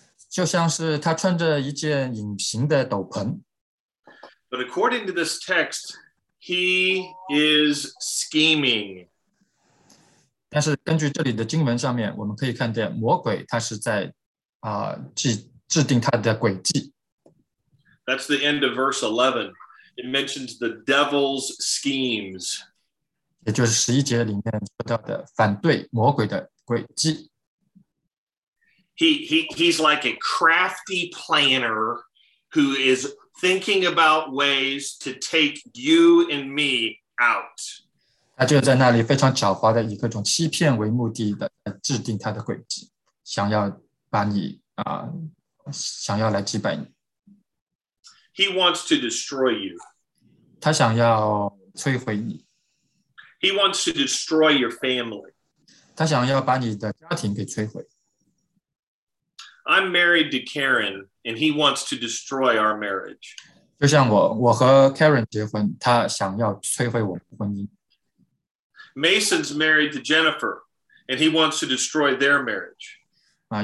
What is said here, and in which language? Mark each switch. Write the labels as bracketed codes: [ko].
[zh] 就像是他穿着一件隐形的斗篷。 [en] But according to this text, he is scheming. [zh] 但是根据这里的经文上面，我们可以看见魔鬼他是在制定他的诡计。 [en] That's the end of verse 11. It mentions the devil's schemes. [zh] 也就是11节里面说到的反对魔鬼的诡计。 [en] He's like a crafty planner who is thinking about ways to take you and me out. [zh] 他就在那里非常狡猾的以各种欺骗为目的的制定他的诡计，想要把你想要来击败你。 [en] He wants to destroy you. [zh] 他想要摧毁你。 [en] He wants to destroy your family. [zh] 他想要把你的家庭给摧毁。 [en] I'm married to Karen, and he wants to destroy our marriage. [zh] 就像我和 Karen 结婚，他想要摧毁我们的婚姻。 [en] Mason's married to Jennifer, and he wants to destroy their marriage.